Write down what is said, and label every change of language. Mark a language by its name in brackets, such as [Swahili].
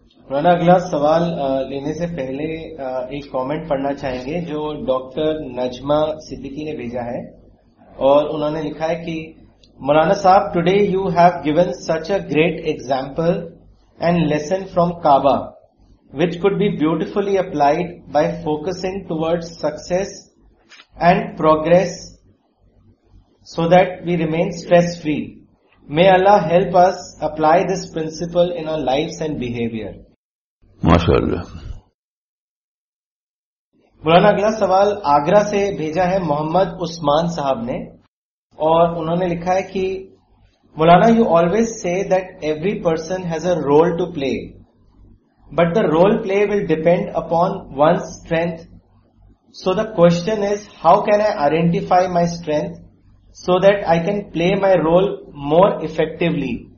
[Urdu] مولانا اگلا سوال لینے سے پہلے ایک کامنٹ پڑھنا چاہیں گے جو ڈاکٹر نجمہ صدیقی نے بھیجا ہے، اور انہوں نے لکھا ہے کہ مولانا صاحب، [English] Today you have given such a great example and lesson from Kaaba which could be beautifully applied by focusing towards success and progress so that we remain stress-free. May Allah help us apply this principle in our lives and behavior. MashaAllah. [Urdu] مولانا اگلا سوال آگرہ سے بھیجا ہے محمد عثمان صاحب نے، اور انہوں نے لکھا ہے کہ مولانا، [English] you always say that every person has a role to play. But the role play will depend upon one's strength. So the question is, how can I identify my strength so that I can play my role more effectively?